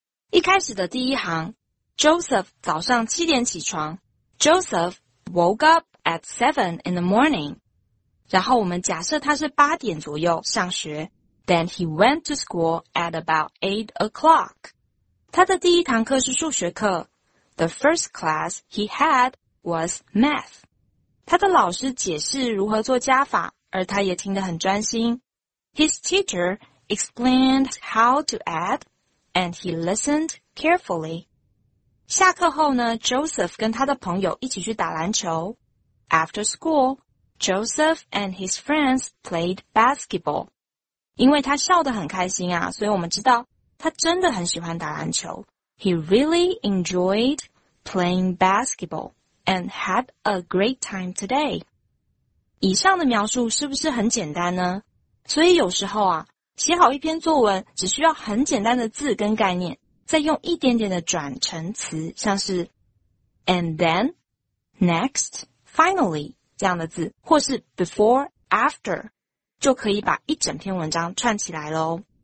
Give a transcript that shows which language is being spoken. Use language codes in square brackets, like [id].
[zh] 一开始的第一行， Joseph 早上7点起床， [en] Joseph woke up at 7 in the morning， [zh] 然后我们假设他是8点左右上学， [en] then he went to school at about 8 o'clock。 [zh] 他的第一堂课是数学课， [en] The first class he had was math。 [zh] 他的老师解释如何做加法，而他也听得很专心。 [en] His teacher explained how to add and he listened carefully。 [zh] 下课后呢， Joseph 跟他的朋友一起去打篮球。 [en] After school, Joseph and his friends played basketball。 [zh] 因为他笑得很开心啊，所以我们知道他真的很喜欢打篮球。 [en] He really enjoyed playing basketball and had a great time today. [zh] 以上的描述是不是很简单呢？所以有时候啊，写好一篇作文只需要很简单的字跟概念，再用一点点的转成词，像是 and then, next, finally 这样的字，或是 before, after, 就可以把一整篇文章串起来咯。